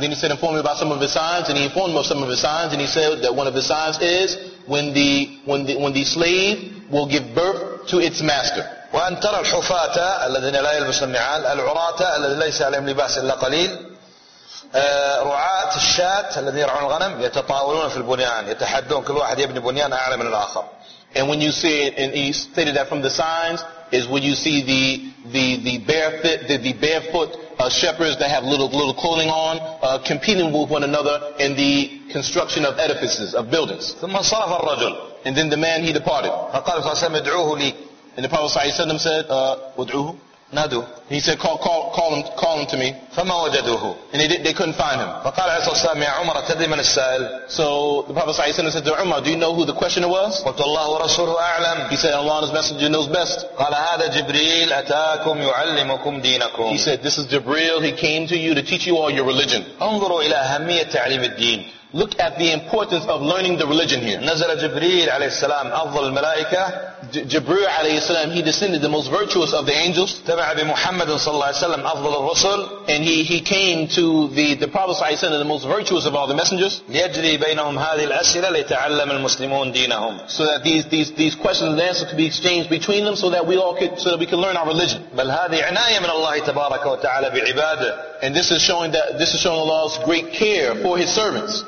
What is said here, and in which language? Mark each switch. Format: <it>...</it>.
<en>Then he said inform me about some of his signs and he informed me of some of his signs and he said that one of his signs is when the slave will give birth to its master.</en> <ar>وأن ترى الحفاة الذين لا يلبسون النعال العراة الذين ليس عليهم لباس إلا قليل رعاة الشاة الذين يرعون الغنم يتطاولون في البنيان يتحدون كل واحد يبني بنيان أعلى من الآخر.</ar> <en>And when you see it, and he stated that from the signs is when you see the barefoot shepherds that have little clothing on competing with one another in the construction of edifices of buildings.</en> <ar>ثم صرف الرجل.</ar> <en>And then the man he departed.</en> <ar>فقال صلى الله عليه وسلم ادعوه لي.</ar> <en>And the Prophet ﷺ said, "Wadhuhu, nadu." He said, "Call him to me."</en> <ar>فَمَا وَجَدُوهُ.</ar> <en>And they couldn't find him.</en> <ar>فَقَالَ عَلَيْهِ الصَّلَاةُ يَا عُمَرَ تَدْرِي مَنِ السَّائِلُ.</ar> <en>So the Prophet ﷺ said to Umar, "Do you know who the questioner was?"</en> <ar>قَالَ اللَّهُ وَرَسُولُهُ أَعْلَمُ.</ar> <en>He said, "Allah and His Messenger knows best."</en> <ar>قَالَ هَذَا جِبْرِيلُ أَتَاكُمْ يُعَلِّمُكُمْ دِينَكُمْ.</ar> <en>He said, "This is Jibril. He came to you to teach you all your religion."</en> <ar>انظروا إلى أهمية تعليم الدين.</ar> <en>Look at the importance of learning the religion here.</en> <ar>نزل جبريل عليه السلام أفضل الملائكة.</ar> <en>جبريل</en> <ar>عليه السلام</ar> <en>he descended the most virtuous of the angels.</en> <ar>تبع بمحمد صلى الله عليه وسلم أفضل الرسل.</ar> <en>And he came to the Prophet</en> <ar>صلى الله عليه وسلم</ar> <en>the most virtuous of all the messengers.</en> <ar>ليجري بينهم هذه الأسئلة ليتعلم المسلمون دينهم.</ar> <en>So that these questions and answers could be exchanged between them so that we could learn our religion.</en> <ar>بل هذه عناية من الله تبارك وتعالى بعباده.</ar> <en>And this is showing Allah's great care for His servants.</en>